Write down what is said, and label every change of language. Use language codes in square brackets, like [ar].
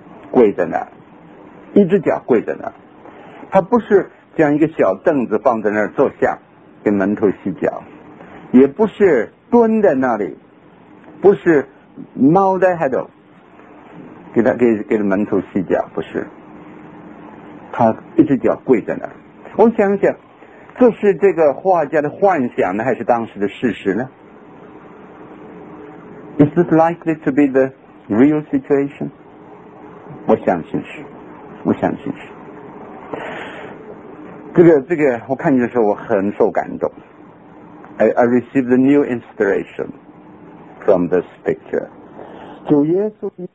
[zh] 跪在那，一只脚跪在那。他不是将一个小凳子放在那儿坐下给门徒洗脚，也不是蹲在那里，不是猫在那里给门徒洗脚，不是，他一只脚跪在那。我想想，这是这个画家的幻想呢，还是当时的事实呢？ [en] Is this likely to be the real situation? [zh] 我相信是，我相信是。这个我看见的时候我很受感动。 [en] I received a new inspiration from this picture. 主耶稣